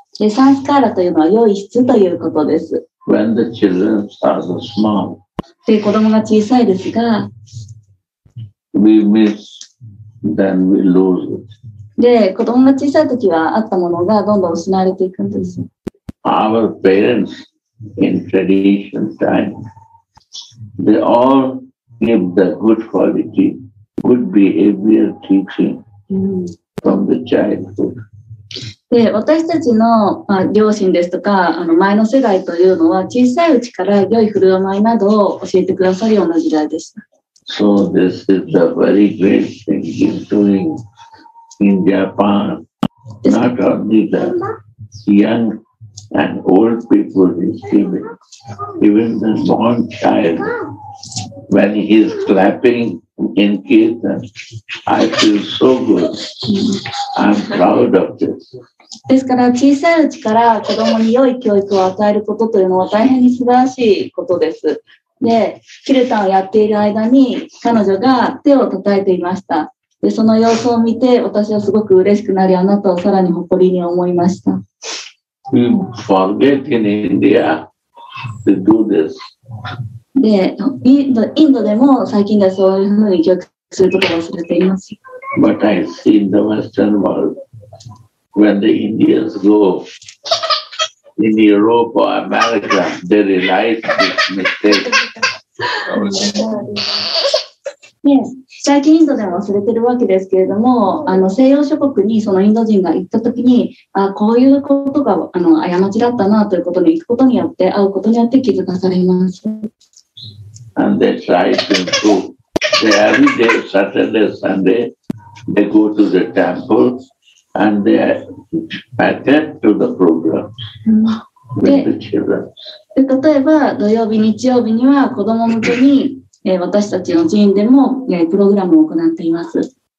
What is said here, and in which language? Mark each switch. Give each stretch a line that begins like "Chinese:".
Japanese: で、サンスカーラというのは良い質ということです。
English: When the children are so small.
Japanese: で、子供が小さいですが。
English: We miss, then we lose it.
Japanese: で、子供が小さい時はあったものがどんどん失われていくんです。
English: Our parents in tradition time, they all give the good quality, good behavior teaching from the childhood.
Japanese: で、私たちの、まあ、両親ですとか、あの、前の世代というのは、小さいうちから良い振る舞いなどを教えてくださるような時代でした。
English: So this is a very great thing he's doing in Japan. Not only the young and old people receive it, even the born child. When he's clapping in kirtan, I feel so good. I'm proud of this.
Japanese: ですから小さいうちから子供に良い教育を与えることというのは大変に素晴らしいことです。で、キルタンをやっている間に彼女が手を叩いていました。で、その様子を見て私はすごく嬉しくなり、あなたをさらに誇りに思いました。
English: We forget in India to do this.
Japanese: で、インドでも最近ではそういうふうに教育することを忘れています。
English: But I see in the Western world. When the Indians go in Europe or America, they realize this mistake. Yes,
Japanese: 最近インドでは忘れてるわけですけれども、あの西洋諸国にそのインド人が行ったときに、あこういうことがあの過ちだったなということに行くことによって、会うことによって気づかされます。
English: And they try to improve. They every day, Saturday, Sunday, they go to the temple. And they attend to the program with the children.
Japanese: 例えば土曜日日曜日には子ども向けに私たちの寺院でもプログラムを行っています。